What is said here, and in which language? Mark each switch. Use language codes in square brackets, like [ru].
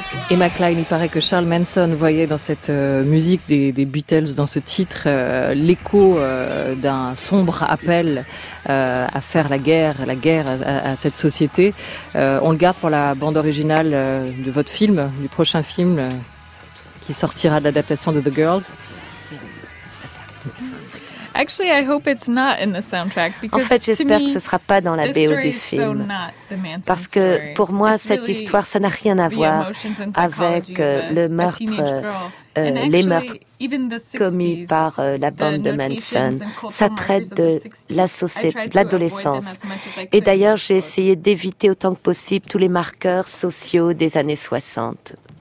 [fr] Emma Klein, il paraît que Charles Manson voyait dans cette musique des Beatles, dans ce titre, l'écho d'un sombre appel à faire la guerre à cette société. On le garde pour la bande originale de votre film, du prochain film qui sortira de l'adaptation de The Girls. [en] Actually, I hope it's not in the soundtrack because, [fr] en fait, j'espère que ce ne sera pas dans la BO du film. Parce que pour moi, cette histoire, ça n'a rien à voir avec le meurtre, les meurtres commis par la bande de Manson. Ça traite de la société, de l'adolescence. Et d'ailleurs, j'ai essayé d'éviter autant que possible tous les marqueurs sociaux des années 60.